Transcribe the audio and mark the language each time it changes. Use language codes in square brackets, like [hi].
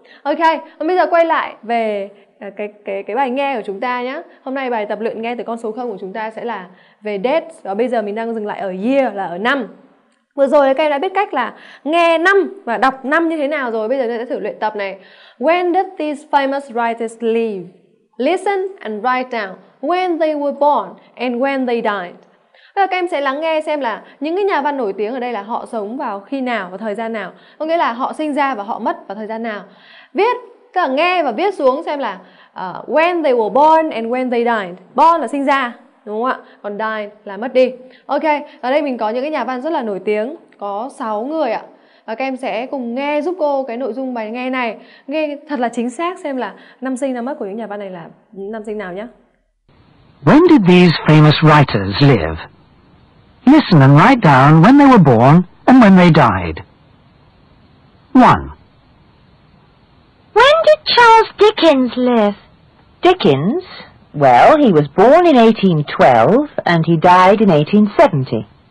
[vi] Ok, và bây giờ quay lại về cái bài nghe của chúng ta nhá. Hôm nay bài tập luyện nghe từ con số 0 của chúng ta sẽ là về date, và bây giờ mình đang dừng lại ở year là ở năm. Vừa rồi các em đã biết cách là nghe năm và đọc năm như thế nào rồi, bây giờ mình sẽ thử luyện tập này. [en] When did these famous writers live? Listen and write down when they were born and when they died. [vi] Bây giờ các em sẽ lắng nghe xem là những cái nhà văn nổi tiếng ở đây là họ sống vào khi nào và thời gian nào. Có nghĩa là họ sinh ra và họ mất vào thời gian nào. Viết, tức là nghe và viết xuống xem là [en] when they were born and when they died. [vi] Born là sinh ra, đúng không ạ? Còn died là mất đi. Ok, ở đây mình có những cái nhà văn rất là nổi tiếng, có 6 người ạ. Và các em sẽ cùng nghe giúp cô cái nội dung bài nghe này, nghe thật là chính xác xem là năm sinh năm mất của những nhà văn này là năm sinh nào nhé. [en] When did these famous writers live? Listen and write down when they were born and when they died. 1. When did Charles Dickens live? Dickens? Well, he was born in 1812 and he died in 1870.